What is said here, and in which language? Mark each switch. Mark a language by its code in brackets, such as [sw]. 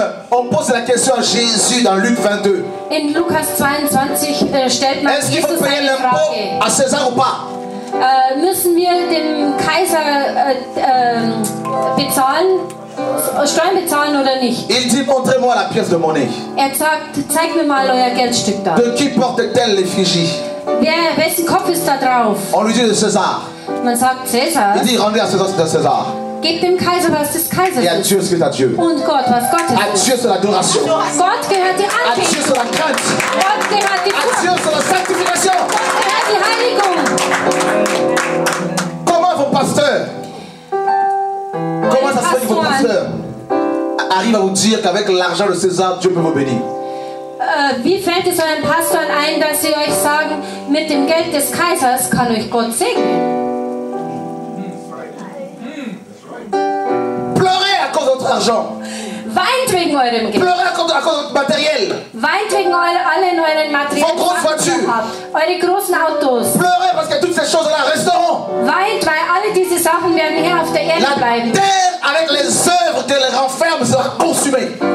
[fr] On pose la question à Jésus dans Luc 22. [de] In Lukas 22 stellt man Jesus eine Frage. [fr] Est-ce qu'il faut payer l'impôt à César ou pas? [de] Müssen wir dem Kaiser bezahlen, Steuern bezahlen oder nicht? [fr] Il dit, montrez-moi la pièce de monnaie. [de] Er sagt, zeig mir mal euer Geldstück da. [fr] De qui porte-t-elle l'effigie? [de] Wessen Kopf ist da drauf? [fr] On lui dit de César. [de] Man sagt César. [fr] Il dit, rendez à César ce que c'est à César. [de] Gebt dem Kaiser, was des Kaisers ist. [fr] Et à Dieu, ce que c'est à Dieu. [de] Und Gott, was Gott ist. [fr] À Dieu, c'est l'adoration. [de] Gott gehört die Anbetung. [fr] À Dieu, c'est la crainte. [de] Gott gehört die Furcht. [fr] À Dieu, c'est la sanctification. [de] Gott gehört die Heiligung. [fr] Comment vos pasteurs? Comment ça se fait que vos pasteurs arrivent à vous dire qu'avec l'argent de César, Dieu peut vous bénir? [de] Wie fällt es euren Pastoren ein, dass sie euch sagen, mit dem Geld des Kaisers kann euch Gott segnen? Weint wegen eurem Geld. Weint wegen allen euren materiellen Sachen. Eure großen Autos. Weint, weil alle diese Sachen werden hier auf der Erde bleiben. [fr] La terre avec les œuvres qu'elle renferme sera consumée.